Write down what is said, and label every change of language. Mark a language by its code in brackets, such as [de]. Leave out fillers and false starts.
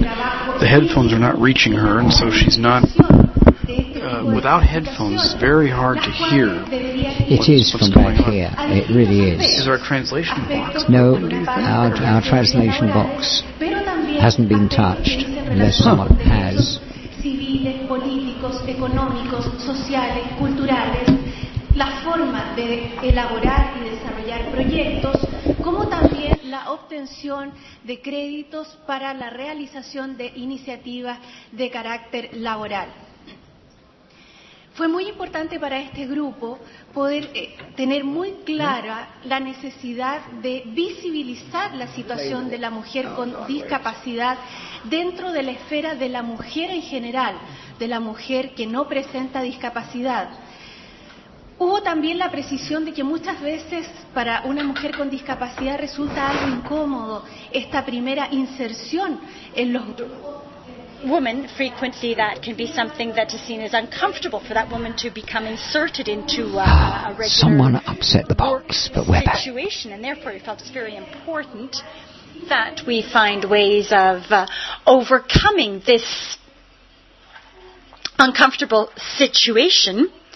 [en] The headphones are not reaching her, and so she's not. Without headphones, it's very hard to hear. It is from back here. It really is. Is our translation box? No, our translation box hasn't been touched, unless someone has. [es] Civiles, políticos, económicos, sociales, culturales, la forma de elaborar y desarrollar proyectos. como también la obtención de créditos para la realización de iniciativas de carácter laboral. Fue muy importante para este grupo poder tener muy clara la necesidad de visibilizar la situación de la mujer con discapacidad dentro de la esfera de la mujer en general, de la mujer que no presenta discapacidad. Hubo también la precisión de que muchas veces para una mujer con discapacidad resulta algo incómodo esta primera inserción en los [en] women, frequently that can be something that is seen as uncomfortable for that woman to become inserted into a regular someone upset the box, but we're back. Situation, and therefore it felt it's very important that we find ways of overcoming this uncomfortable situation.